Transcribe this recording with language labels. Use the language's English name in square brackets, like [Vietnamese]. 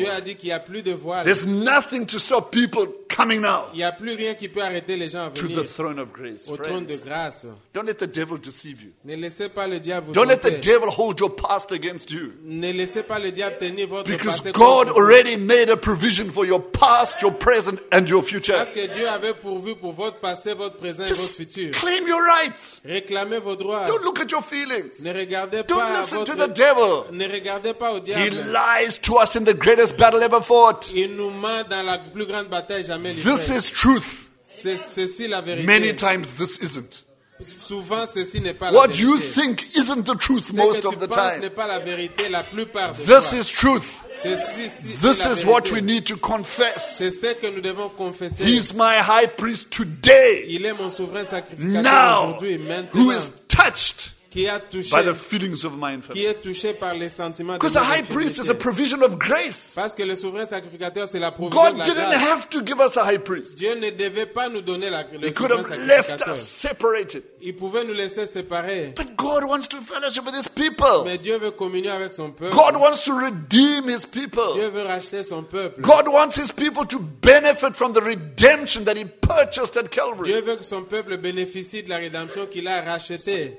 [French] Dieu a dit qu'il n'y a plus de voile. [English] There's nothing to stop people coming now. [French] Il n'y a plus rien qui peut arrêter les gens à venir. [English] To the throne of grace, [French] au trône de grâce. [English] Don't let the devil deceive you. [French] Ne laissez pas le diable vous tromper. [English] Don't let the devil hold your past against you. [French] Ne laissez pas le diable tenir votre passé contre [English] Because God already made a provision for your past, your present, and your future. [French] Parce que Dieu avait pourvu pour votre passé, votre présent et votre futur. [English] Claim your rights. [French] Réclamez vos droits. [English] Don't look at your feelings. [French] Ne regardez [English] don't [French] pas [English] listen [French] votre [English] to the devil. [French] Ne regardez pas au diable. [English] He lies to us in the greatest battle ever fought. [French] Il nous ment dans la plus grande bataille jamais livrée. [English] This is truth. [French] Ceci la vérité. [English] Many times this isn't. [French] Souvent ceci n'est pas la [English] what [French] vérité. [English] You think isn't the truth [French] ce [English] most of the time. [French] N'est pas la vérité la plupart des [English] this [French] fois. [English] Is truth. This is what we need to confess. [French] C'est ce que nous devons confesser. [English] He's my high priest today. [French] Il est mon souverain sacrificateur [English] now, [French] aujourd'hui, maintenant. [English] Who is touched [French] qui a touché, [English] by the feelings of my infirmity. [French] Qui est touché par les sentiments [English] because [French] de [English] the high priest is a provision of grace. [French] Parce que le souverain sacrificateur, c'est la provision [English] God [French] de la [English] didn't [French] grâce. [English] Have to give us a high priest. [French] Dieu ne devait pas nous donner la, le [English] he could have left us separated. [French] Il pouvait nous laisser séparés. [English] But God wants to fellowship with his people. [French] Mais Dieu veut communier avec son peuple. [English] God wants to redeem his people. [French] Dieu veut racheter son peuple. [English] God wants his people to benefit from the redemption that he purchased at Calvary. [French] Dieu veut que son peuple bénéficie de la rédemption qu'il a rachetée.